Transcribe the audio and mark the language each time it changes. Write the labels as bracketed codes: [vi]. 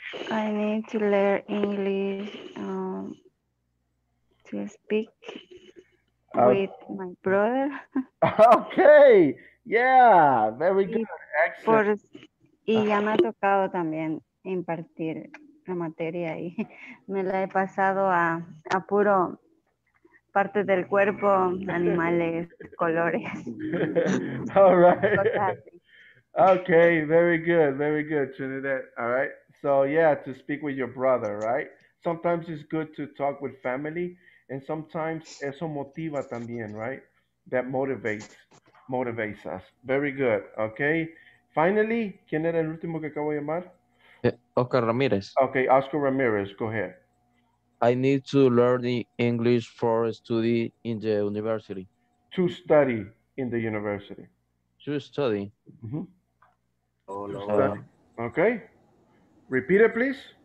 [en] I need to learn English to speak with my brother. Okay, yeah, very good. Excellent. [es] Y ya me ha tocado también impartir la materia y me la he pasado a puro partes del cuerpo, animales, colores. [en] All right. Okay, very good, Trinidad. All right. So, yeah, to speak with your brother, right? Sometimes it's good to talk with family, and sometimes [es] eso motiva también, [en] right? That motivates us. Very good, okay? Finally, [es] ¿quién era el último que acabo de llamar? Oscar Ramirez. [en] Okay, Oscar Ramirez, go ahead. I need to learn English for study in the university. To study in the university. To study. Mm-hmm. Okay. Repeat it, please.